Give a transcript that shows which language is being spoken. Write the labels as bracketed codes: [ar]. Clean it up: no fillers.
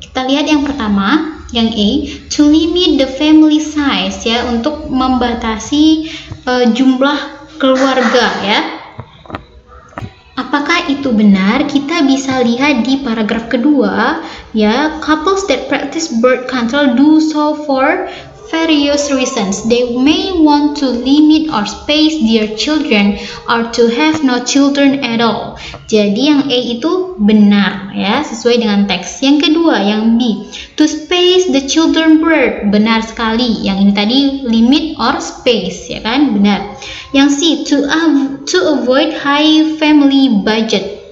[id] Kita lihat yang pertama, yang A, [en] to limit the family size [id] ya, untuk membatasi jumlah keluarga ya. Apakah itu benar? Kita bisa lihat di paragraf kedua, ya. [en] Couples that practice birth control do so for various reasons. They may want to limit or space their children or to have no children at all. [id] Jadi yang A itu benar, ya, sesuai dengan teks. Yang kedua, yang B, [en] to space the children birth, [id] benar sekali. Yang ini tadi [en] limit or space, [id] ya kan, benar. Yang C, [en] to avoid high family budget.